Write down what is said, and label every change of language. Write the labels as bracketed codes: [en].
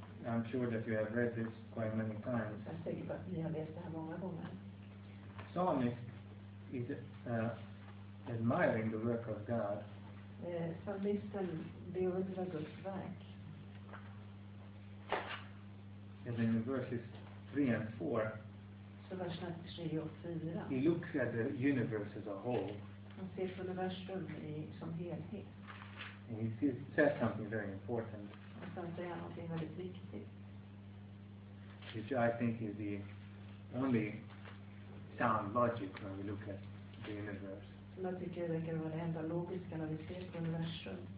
[en] I'm sure that you have read this quite many times. [sv] Jag är säker på att ni har läst det här många gånger. [en] Psalmist is admiring the work of God. [sv] Psalmisten beundrar Guds verk. [en] And in verses 3 and 4, [sv] så verserna 3 och 4, [en] he looks at the universe as a whole. [sv] Han ser på universum som helhet. [en] And he says something very important. [sv] Och sen säger han någonting väldigt viktigt. [en] Which I think is the only sound logic when we look at the universe. [sv] Som jag tycker det kan vara det enda logiska när vi ser på universum.